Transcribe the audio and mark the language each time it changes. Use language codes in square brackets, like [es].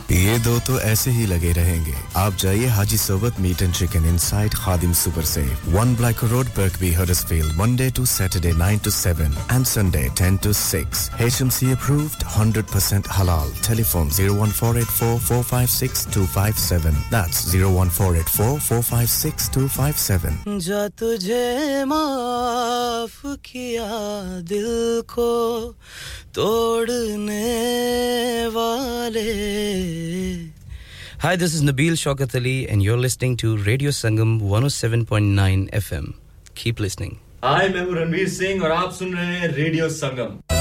[hi] ਇਹ ਦੋ ਤੋਂ ਐਸੇ ਹੀ ਲਗੇ ਰਹਿਣਗੇ ਆਪ ਜਾਈਏ [en] Haji Sobat meat and chicken inside Khadim super safe 1 black road Birkby Huddersfield Monday to Saturday 9 to 7 and Sunday 10 to 6 HMC approved 100% halal telephone 01484456257 that's 01484456257 [hi] जा तुझे माफ किया दिल को तोड़ने वाले [en] Hi, this is Nabeel Shaukat Ali and you're listening to Radio Sangam 107.9 FM. Keep listening. Hi, I'm Ranveer Singh [hi] और आप सुन रहे हैं [en] Radio Sangam.